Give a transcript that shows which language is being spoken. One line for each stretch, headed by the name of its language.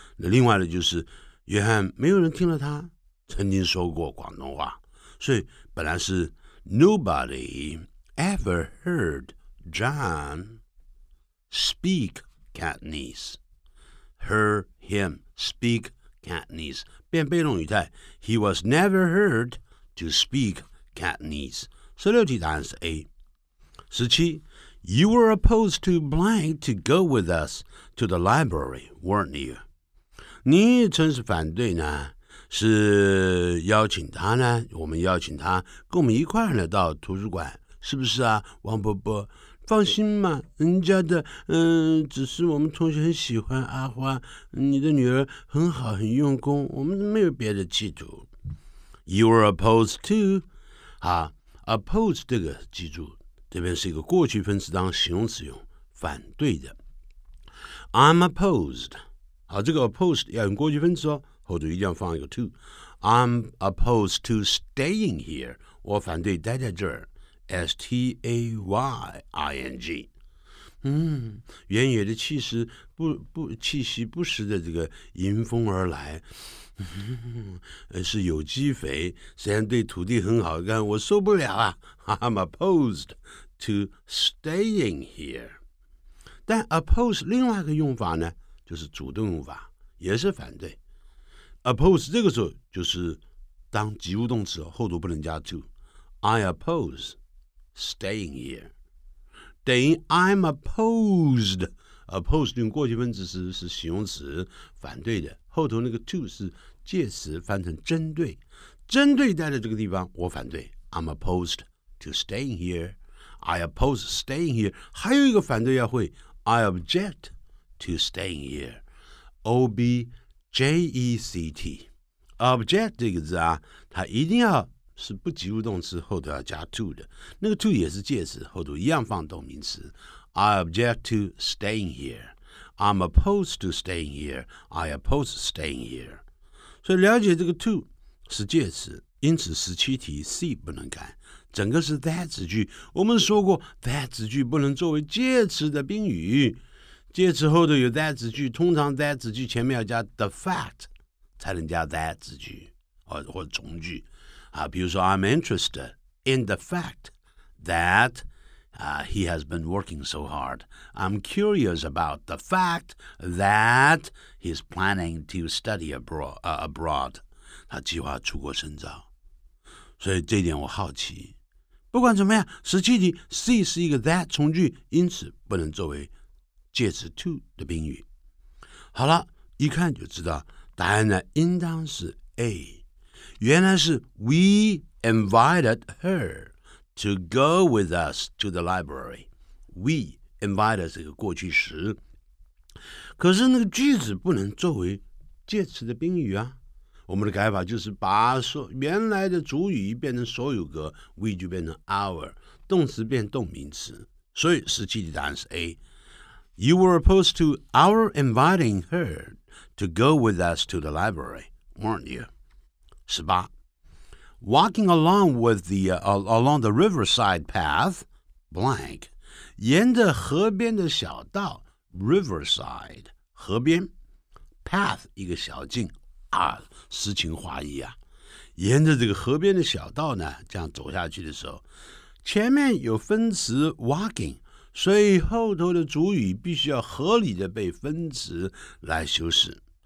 Chinese: 那另外的就是约翰没有人听了他曾经说过广东话，所以本来是
English: nobodyEver heard John speak Cantonese? Heard him speak Cantonese?
Chinese: 变被动语态
English: He was never heard to speak Cantonese.
Chinese: 十六题答案是 A。 十七，
English: You were opposed to blank to go with us to the library, weren't you?
Chinese: 你真是反对呢，是邀请他呢，我们邀请他跟我们一块儿呢到图书馆，是不是啊，王伯伯？放心嘛，人家的只是我们同学很喜欢阿花，你的女儿很好，很用功，我们没有别的企图。
English: You were opposed to, 啊 ,oppose
Chinese: 这个记住。这边是一个过去分词当形容词用，反对的。
English: I'm opposed.
Chinese: 好，这个 opposed 要用过去分词哦，后头一定要放一个 to.
English: I'm opposed to staying here.
Chinese: 我反对待在这儿。staying. 原野的气息 不气息不时的这个迎风而来。是有机肥，虽然对土地很好，但我受不了啊。
English: I'm opposed. To staying here.
Chinese: 但 oppose 另外一个用法呢，就是主动用法，也是反对。 Oppose 这个时候就是当及物动词，后头不能加 to.
English: I oppose staying here. 等于 I'm opposed.
Chinese: Opposed 用过去分词 是形容词，反对的。后头那个 to 是介词，翻成针对。针对待在这个地方，我反对。
English: I'm opposed to staying here. I oppose staying here.
Chinese: 还有一个反对要会
English: I object to staying here. O-B-J-E-C-T.
Chinese: Object 这个字啊，它一定要是不及物动词，后头要加 to 的。那个 to 也是介词，后头一样放动名词。
English: I object to staying here. I'm opposed to staying here. I oppose staying here.
Chinese: 所以了解这个 to 是介词，因此17题 C 不能改。整个是 that 子句，我们说过 that 子句不能作为介词的宾语，介词后头有 that 子句，通常 that 子句前面要加 the fact 才能加 that 子句或从句啊，比如说
English: I'm interested in the fact that、he has been working so hard. I'm curious about the fact that he's planning to study abroad.
Chinese: 他计划出国深造，所以这一点我好奇。不管怎么样，十七题 C 是一个 that 从句，因此不能作为介词 to 的宾语。好了，一看就知道答案呢，应当是 A。
English: 原来是 We invited her to go with us to the library. We invited
Chinese: 是个过去时，可是那个句子不能作为介词的宾语啊。我们的改法就是把原来的主语变成所有格， we 就变成 our， 动词变动名词。所以十七题答案是 A。
English: You were opposed to our inviting her to go with us to the library, weren't you?
Chinese: 十八，
English: Walking along with the,、along the riverside path,
Chinese: blank, 沿着河边的小道， riverside, 河边， path, 一个小径啊，诗情画意啊，沿着这个河边的小道呢，这样走下去的时候，前面有分词 walking， 所以后头的主语必须要合理的被分词来修饰。